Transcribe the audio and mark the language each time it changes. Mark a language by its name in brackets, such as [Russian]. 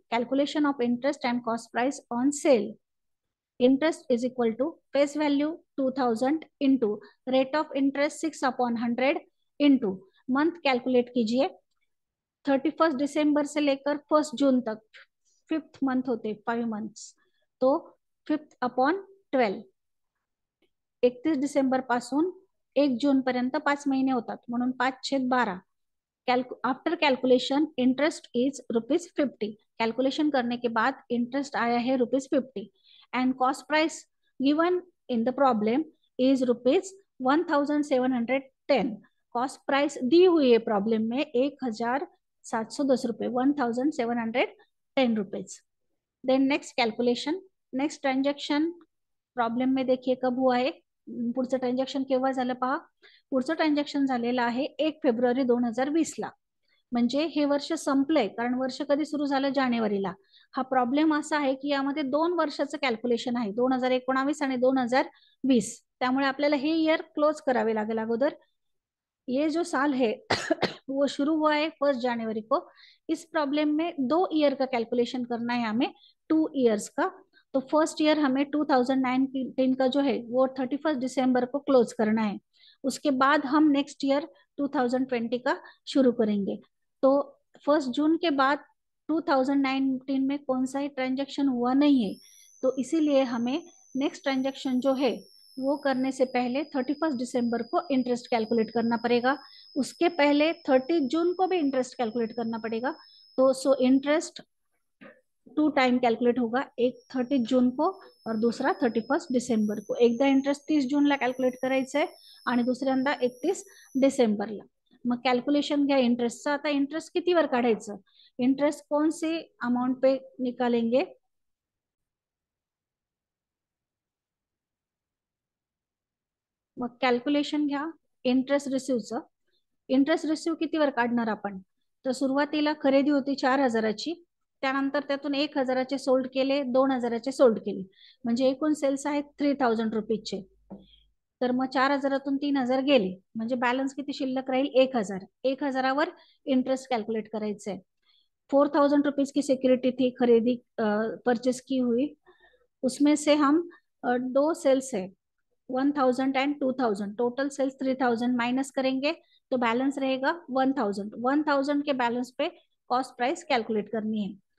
[English] Calculation of interest and cost price on sale. Interest is equal to face value 2000 into rate of interest 6/100 into month [Hindi] calculate कीजिए। 31 दिसंबर से लेकर 1 जून तक 5th month होते, 5 months, तो 5/12। [Marathi] 31 दिसंबर पासून 1 जून पर्यंत 5 महीने होतात, म्हणून 5/12। [English] After calculation interest is rupees 50। [Hindi] Calculation करने के बाद इंटरेस्ट आया है rupees 50 [English] And cost price given in the problem is rupees 1710। [Hindi] Cost price दी हुई है प्रॉब्लम में 1710 रुपये, 1710 rupees. Then next calculation, next transaction problem में देखिए कब हुआ है, [Marathi] पुढचं ट्रांजेक्शन केव्हा झालं पहा। पुढचं ट्रांजेक्शन झालेलं आहे 1 फेब्रुवारी 2020 ला, म्हणजे हे वर्ष संपलंय, कारण वर्ष कधी सुरू झालं, जानेवारीला। हा प्रॉब्लेम असा आहे की यामध्ये 2 वर्षाचं कॅल्क्युलेशन आहे, 2019 आणि 2020, त्यामुळे आपल्याला हे इयर क्लोज करावे लागेल अगोदर। [Hindi] ये जो साल है वो शुरू हुआ है 1 जानेवारी को, इस प्रॉब्लम में 2 ईयर का कैलकुलेशन करना है हमें, 2 ईयर्स का। तो फर्स्ट ईयर हमें 2019 का जो है वो 31 दिसंबर को क्लोज करना है, उसके बाद हम नेक्स्ट ईयर 2020 का शुरू करेंगे। तो 1 जून के बाद 2019 में कौन सा ही ट्रांजेक्शन हुआ नहीं है, तो इसीलिए हमें नेक्स्ट ट्रांजेक्शन जो है वो करने से पहले 31 दिसंबर को इंटरेस्ट कैलकुलेट करना पड़ेगा, उसके पहले 30 जून को भी इंटरेस्ट कैलकुलेट करना पड़ेगा। तो सो इंटरेस्ट 2 टाइम कैलकुलेट होगा, एक 30 जून को और दूसरा 31 दिसंबर को। [Marathi] एकदा इंटरेस्ट 30 जून ला कैलकुलेट करायचं आहे आणि दुसऱ्यांदा 31 डिसेंबर ला। मग कैलकुलेशन घ्या इंटरेस्टचं। आता इंटरेस्ट कितीवर काढायचं, [Hindi] इंटरेस्ट कौन से अमाउंट पे निकालेंगे, [Marathi] मग कॅल्क्युलेशन घ्या इंटरेस्ट रिसिव्हचं। इंटरेस्ट रिसिव्ह कितीवर काढणार आपण, तर सुरुवातीला खरेदी होती 4000 ची, त्यानंतर त्यातून 1000 सोल्ड केले, 2000 सोल्ड केले, म्हणजे एकूण सेल्स आहेत 3000 रुपीजचे। तर मग 4000 3000 गेले, म्हणजे बॅलन्स किती शिल्लक राहील, 1000। 1000 इंटरेस्ट कॅल्क्युलेट करायचंय। [Hindi] 4000 रुपीज की सिक्युरिटी थी, खरेदी परचेस की हुई, उसमें से हम दो सेल्स है 1000 एंड 2000, टोटल सेल्स 3000 माइनस करेंगे तो बैलेंस रहेगा 1000। 1000 के बैलेंस पे कॉस्ट प्राइस कैलकुलेट करनी है।